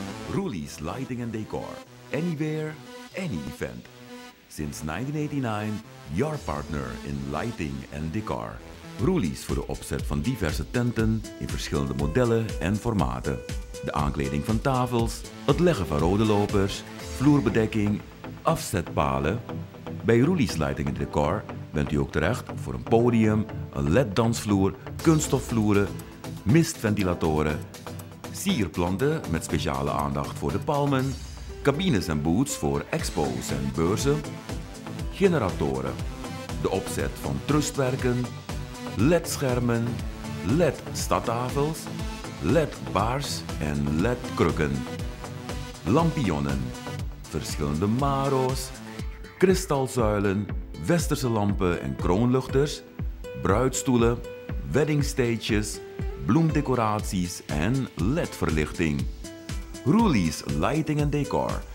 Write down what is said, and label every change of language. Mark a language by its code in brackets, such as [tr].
[en] Rulli's Lighting and Decor. Anywhere, any event. Since 1989, your partner in lighting and decor. [nl] Rulli's voor de opzet van diverse tenten in verschillende modellen en formaten. De aankleding van tafels, het leggen van rode lopers, vloerbedekking, afzetpalen. Bij Rulli's Lighting and Decor bent u ook terecht voor een podium, een LED-dansvloer, kunststofvloeren, mistventilatoren, sierplanten met speciale aandacht voor de palmen, cabines en booths voor expo's en beurzen, generatoren, de opzet van trustwerken, LED-schermen, LED-stadtafels, LED-baars en LED-krukken, lampionnen, verschillende maro's, kristalzuilen, westerse lampen en kroonluchters, bruidstoelen, weddingstages, bloemdecoraties en LED-verlichting. Rulli's Lighting and Decor.